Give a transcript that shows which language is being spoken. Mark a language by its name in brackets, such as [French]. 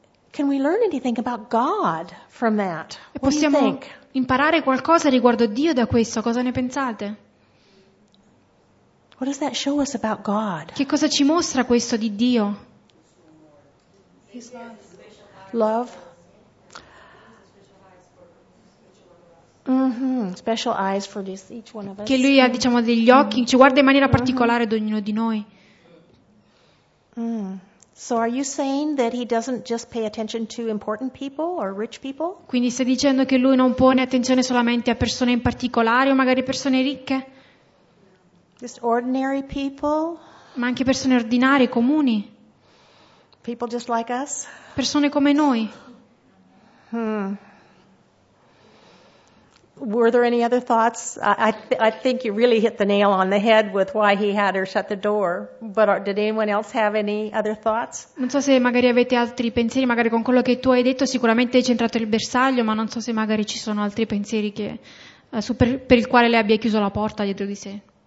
[English] Can we learn anything about God from that? What [Italian] possiamo [English] do you think? [Italian] Imparare qualcosa riguardo Dio da questo? Cosa ne pensate? [English] What does that show us about God? [Italian] Che cosa ci mostra questo di Dio? [English] His love. Mm-hmm. Special eyes for this, each one of us. [Italian] Che lui ha, diciamo, degli occhi, ci guarda in maniera particolare ad ognuno di noi. Mm. [English] So are you saying that he doesn't just pay attention to important people or rich people? [Italian] Quindi stai dicendo che lui non pone attenzione solamente a persone in particolare o magari persone ricche? [English] Just ordinary people? [Italian] Ma anche persone ordinarie, comuni? [English] People just like us? [Italian] Persone come noi? [English] Were there any other thoughts? I think you really hit the nail on the head with why he had her shut the door. But did anyone else have any other thoughts? [Italian] Non so se magari avete altri pensieri, magari con quello che tu hai detto sicuramente hai centrato il bersaglio, ma non so se magari ci sono altri pensieri che per il quale lei abbia chiuso la porta dietro di sé.